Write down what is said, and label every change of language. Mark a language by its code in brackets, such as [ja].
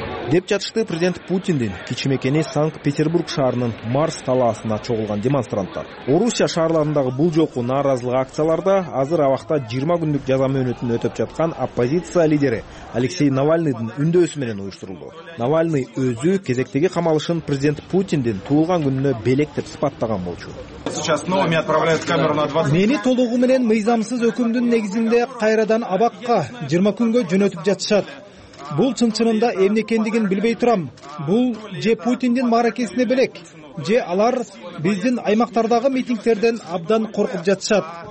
[ky] Деп жатышты президент Путиндин кичимекени Санкт-Петербург шаарынын Марс талаасына чогулган демонстранттар. Орусия шаарларындагы бул жолку нааразылык акцияларда азыр абакта 20 күндүк жаза мөөнөтүн өтөп жаткан оппозиция лидери Алексей Навальныйдын үндөөсү менен уюштурулду. Навальный өзү кезектеги камалышын президент Путиндин туулган күнүнө белек деп сыпаттаган болчу. [ru] Сейчас снова меня отправляют в камеру на 20. [ky] Мени толугу менен мыйзамсыз өкүмдүн негизинде кайрадан абакка 20 күнгө жөнөтүп жатышат. Бул чынчынында эмне экендигин билбей турам. Бул же Путиндин мааракесине белек, же алар биздин аймактардагы митингтерден абдан коркуп жатышат.